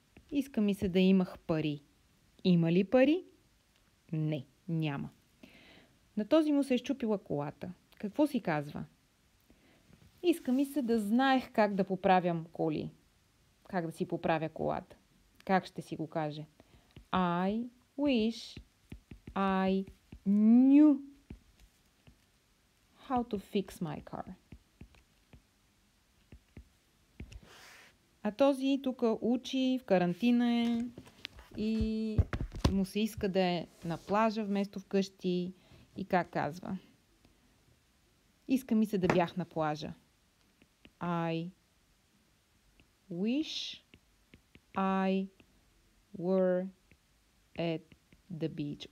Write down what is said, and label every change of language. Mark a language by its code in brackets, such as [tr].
[bg] Иска ми се да имах пари. Има ли пари? Не, няма. На този му се е счупила колата. Какво си казва? Иска ми се да знаех как да поправям коли. Как да си поправя колата. Как ще си го каже? [en] I wish I knew how to fix my car. [bg] А този тук учи, в карантина е и му се иска да е на плажа вместо вкъщи. И как казва? Иска ми се да бях на плажа. [en] I wish I were at the beach.